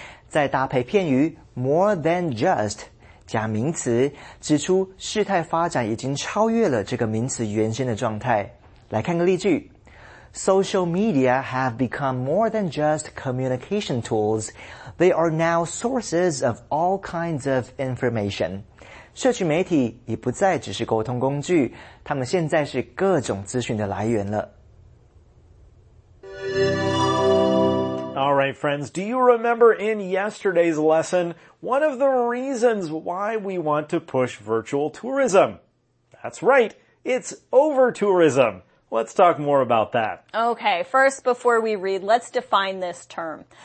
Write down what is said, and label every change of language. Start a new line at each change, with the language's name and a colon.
Chinese: 再搭配片语 more than just 加名词，指出事态发展已经超越了这个名词原先的状态。来看个例句，
English: Social media have become more than just communication tools. They are now sources of all kinds of information.
Chinese: 社群媒体已不再只是沟通工具，他们现在是各种资讯的来源了。
English: All right, friends, do you remember in yesterday's lesson one of the reasons why we want to push virtual tourism? That's right, it's overtourism. Let's talk more about that. Okay, first, before we read, let's define this term.